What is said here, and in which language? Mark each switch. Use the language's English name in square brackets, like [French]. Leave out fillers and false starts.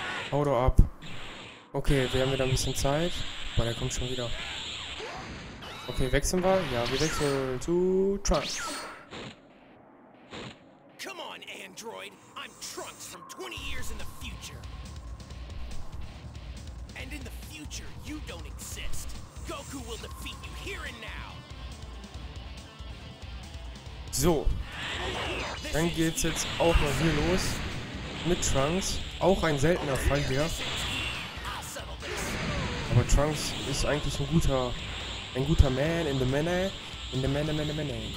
[German] Hau doch ab. Okay, wir haben wieder ein bisschen Zeit. Boah, der kommt schon wieder. Okay, wechseln wir. Ja, wir wechseln zu Trunks. [English] Come on, Android. I'm Trunks from 20 years in the future. And in the future, you don't exist. Goku will defeat you here and now. So. [German] Dann geht's jetzt auch mal hier los. Mit Trunks. Auch ein seltener Fall hier. Aber Trunks ist eigentlich ein guter. Ein guter Man in the Manne. In the Manne, Manne, Manne.